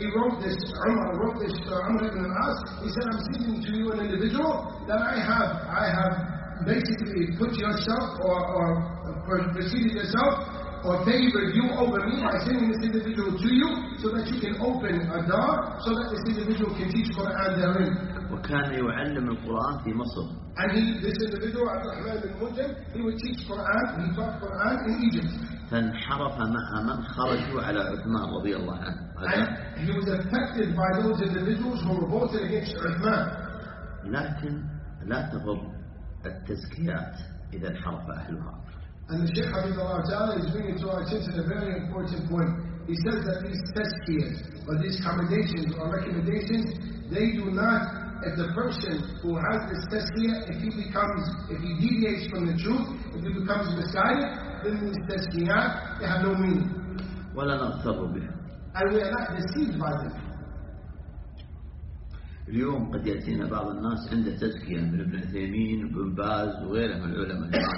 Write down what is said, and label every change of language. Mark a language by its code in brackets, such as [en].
[en] He wrote this, Umar wrote this to Umar ibn al-As. He said, I'm speaking to you, an individual, that I have basically put yourself or preceded yourself or favored you over me by sending this individual to you so that you can open a door so that this individual can teach Quran therein. [ar] وكان يعلم القرآن في مصر. [en] And he, this individual, Abu Ahmad ibn Mujahid, he would teach Quran, he taught Quran in Egypt. [ar] فانحرف مع من خرجوا على عثمان رضي الله عنه. [en] And he was affected by those individuals who revolted against Uthman. [ar] لكن لا تغض التزكيات إذا انحرف أهلها. [en] And the Sheikh Hafidhullah Ta'ala is bringing to our attention a very important point. He says that these tazkiyahs, or these commendations or recommendations, they do not, if the person who has this tazkiyah, if he deviates from the truth, if he becomes messiah, then these tazkiyahs, they have no meaning. [ar] وَلَا نَغْتَرُ بِهَا. [en] And we are not deceived by them. [ar] اليوم قد يأتينا بعض الناس عنده تزكية من ابن عثيمين وابن باز وغيره من العلماء.